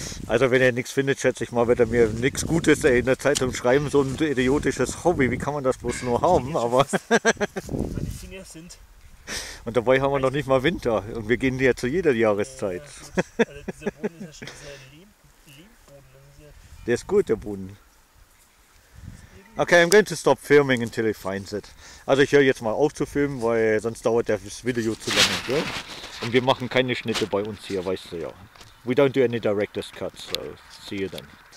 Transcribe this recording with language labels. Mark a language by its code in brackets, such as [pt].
[de] Also wenn er nichts findet, schätze ich mal, wird er mir nichts Gutes in der Zeitung schreiben. So ein idiotisches Hobby, wie kann man das bloß nur haben? Aber meine Finger sind... Und dabei haben wir noch nicht mal Winter und wir gehen ja zu jeder Jahreszeit. Also dieser Boden ist ja schon sehr Lehmboden. Der ist gut, der Boden. [en] Okay, I'm going to stop filming until he finds it. [de] Also ich höre jetzt mal auf zu filmen, weil sonst dauert das Video zu lange. Ja? Und wir machen keine Schnitte bei uns hier, weißt du ja. [en] We don't do any director's cuts, so see you then.